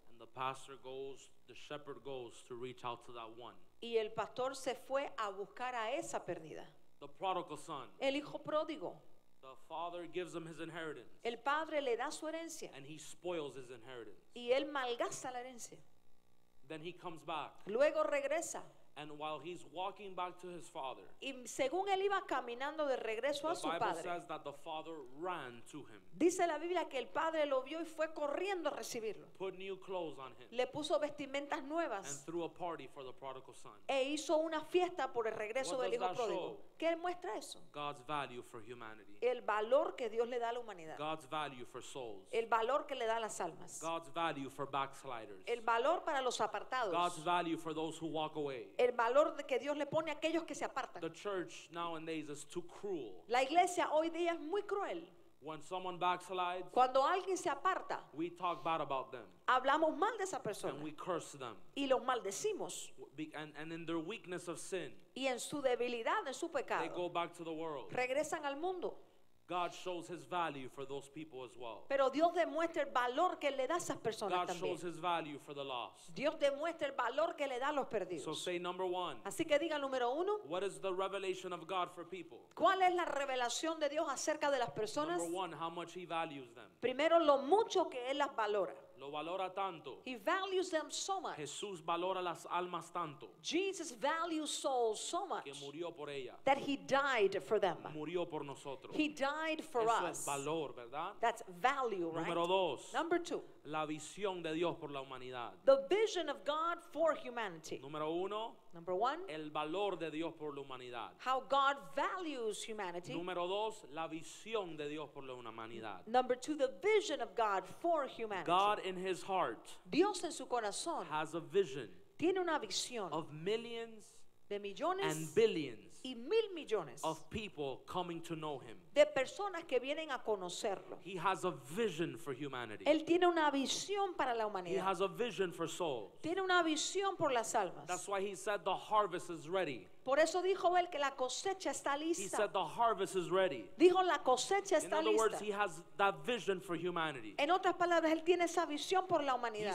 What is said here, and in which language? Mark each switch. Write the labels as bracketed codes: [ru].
[en] The pastor goes, the shepherd goes to reach out to that one. [es] Y el pastor se fue a buscar a esa perdida. [en] The prodigal son. [es] El hijo pródigo. [en] The father gives him his inheritance. [es] El padre le da su herencia. [en] And he spoils his inheritance. [es] Y él malgasta la herencia. [en] Then he comes back. [es] Luego regresa. [en] And while he's walking back to his father, [es] y según él iba caminando de regreso a su padre, [en] the Bible says that the father ran to him. [es] Dice la Biblia que el padre lo vio y fue corriendo a recibirlo. [en] Put new clothes on him. [es] Le puso vestimentas nuevas. [en] And threw a party for the prodigal son. [es] E hizo una fiesta por el regreso [en] What [es] del hijo pródigo. [en] Show? [es] ¿Qué muestra eso? [en] God's value for humanity. [es] El valor que Dios le da a la humanidad. [en] God's value for souls. [es] El valor que le da a las almas. [en] God's value for backsliders. [es] El valor para los apartados. [en] God's value for those who walk away. [es] El valor que Dios le pone a aquellos que se apartan. [en] The church nowadays is too cruel. [es] La iglesia hoy día es muy cruel. [en] When someone backslides, [es] cuando alguien se aparta, [en] we talk bad about them. [es] Hablamos mal de esa persona. [en] And we curse them. [es] Y los maldecimos. [en] And in their weakness of sin, [es] y en su debilidad, en su pecado, [en] they go back to the world. [es] Regresan al mundo. [en] God shows his value for those people as well. [es] Pero Dios demuestra el valor que le da a esas personas [en] God [es] también. [en] Shows his value for the lost. [es] Dios demuestra el valor que le da a los perdidos. [en] So say number one. [es] Así que diga número uno. [en] What is the revelation of God for people? [es] ¿Cuál es la revelación de Dios acerca de las personas? [en] Number one, how much he values them. [es] Primero, lo mucho que él las valora. Lo valora tanto. [en] He values them so much. [es] Jesús valora las almas tanto. [en] Jesus values souls so much. [es] Que murió por ella. [en] That he died for them. [es] Murió por nosotros. [en] He died for [es] Eso [en] us. [es] Es valor, ¿verdad? [en] That's value, right? [es] Número dos. [en] Number two. [es] La visión de Dios por la humanidad. [en] The vision of God for humanity. [es] Número uno. [en] Number one. [es] El valor de Dios por la humanidad. [en] How God values humanity. [es] Número dos. La visión de Dios por la humanidad. [en] Number two. The vision of God for humanity. God in his heart. [es] Dios en su corazón. [en] Has a vision. [es] Tiene una visión. [en] Of millions. [es] De millones. [en] And billions. [es] Y mil millones. [en] Of people coming to know him. [es] De personas que vienen a conocerlo. [en] He has a vision for humanity. [es] Él tiene una visión para la humanidad. [en] He has a vision for souls. [es] Tiene una visión por las almas. [en] That's why he said the harvest is ready. [es] Por eso dijo él que la cosecha está lista. [en] He said the harvest is ready. [es] Dijo la cosecha está lista. [en] In other words, he has that vision for humanity. [es] En otras palabras, él tiene esa visión por la humanidad.